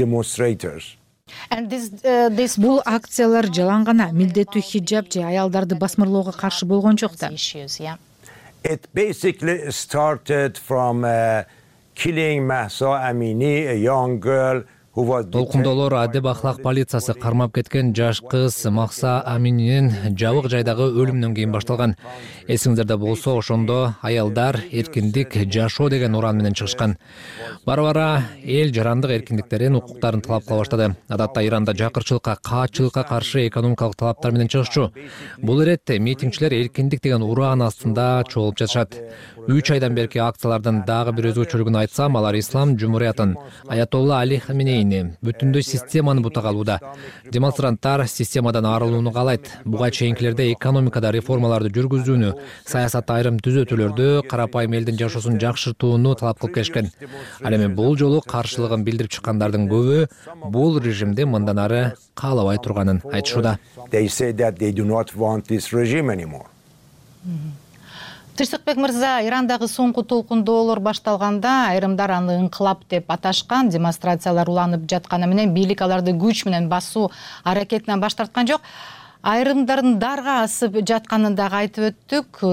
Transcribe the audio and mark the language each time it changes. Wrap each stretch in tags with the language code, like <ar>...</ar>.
<ky>Бул акциялар жалаң гана милдеттүү хиджаб же аялдарды басмырлоого каршы болгон жок да.</ky> <en>It basically started from killing Mahsa Amini, a young girl.</en> <ky>Толкундоолор адеп ахлак полициясы кармап кеткен жаш кыз Макса Амининин жабык жайдагы өлүмүнөн кийин башталган. Эсиңиздерде болсо, ошондо аялдар эркиндик, жашоо деген уран менен чыгышкан. Бара-бара эл жарандык эркиндиктерин, укуктарын талап кыла баштады. Адатта Иранда жакырчылыкка, каачылыкка каршы экономикалык талаптар менен чыгышчу. Бул иретте митингчилер эркиндик деген ураан астында чогулуп жатышат. 3 айдан берки акциялардын дагы бир өзгөчөлүгүн айтсам, алар ислам жумуриятын аятолла Али Хаминей, эне. Бүтүндөй системаны бута калууда. Демонстранттар системадан арылууну каалайт. Буга чейинкилерде экономикада реформаларды жүргүзүүнү, саясатта айрым түзөтүүлөрдү, карапайым элдин жашоосун жакшыртууну талап кылып келишкен. Ал эми бул жолу каршылыгын билдирип чыккандардын көбү бул режимди мындан ары каалабай турганын айтышууда.</ky> <en>They say that they do not want this regime anymore.</en> <ky>Тышыкбек мырза, Ирандагы соңку толкундоолор башталганда айрымдар аны инкылап деп аташкан, демонстрациялар уланып жатканы менен бийлик аларды күч менен басуу аракетинен баш тарткан жок. Айрымдардын дарга асып жатканын дагы айтып өттүк.</ky>